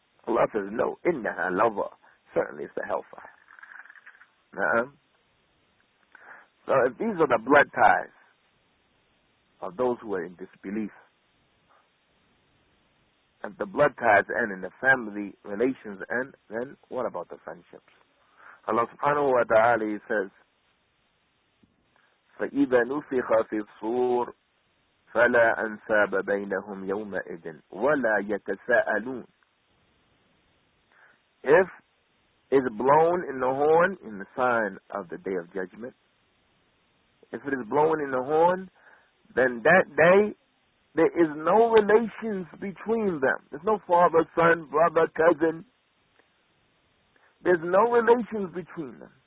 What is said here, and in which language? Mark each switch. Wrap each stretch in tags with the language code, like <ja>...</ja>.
<en>Allah says, no,</en> <ar>إِنَّهَا لَظَى.</ar> <en>Certainly it's the hellfire. So if these are the blood ties of those who are in disbelief, if the blood ties end and the family relations end, then what about the friendships? Allah subhanahu wa ta'ala says,</en> <ar>فَإِذَا نُفِخَ فِي الصُّورِ فَلَا أَنْسَابَ بَيْنَهُمْ يَوْمَئِذٍ وَلَا يَتَسَأَلُونَ.</ar> <en>If it's blown in the horn, in the sign of the Day of Judgment, if it is blown in the horn, then that day, there is no relations between them. There's no father, son, brother, cousin. There's no relations between them.</en>